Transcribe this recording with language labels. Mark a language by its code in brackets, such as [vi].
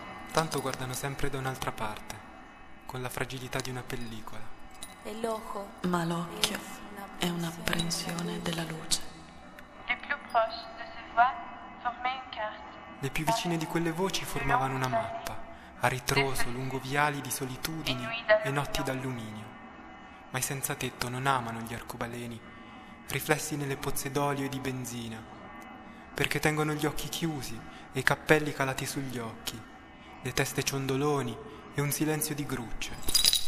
[it] Tanto guardano sempre da un'altra parte, con la fragilità di una pellicola. E l'occhio. Ma l'occhio è un'apprensione della luce. [fr] Le più proche de ces voix formaient une carte. [it] Le più vicine di quelle voci formavano una mappa, a ritroso lungo viali di solitudini e notti d'alluminio. Ma i senza tetto non amano gli arcobaleni, riflessi nelle pozze d'olio e di benzina, perché tengono gli occhi chiusi e i cappelli calati sugli occhi, le teste ciondoloni e un silenzio di grucce.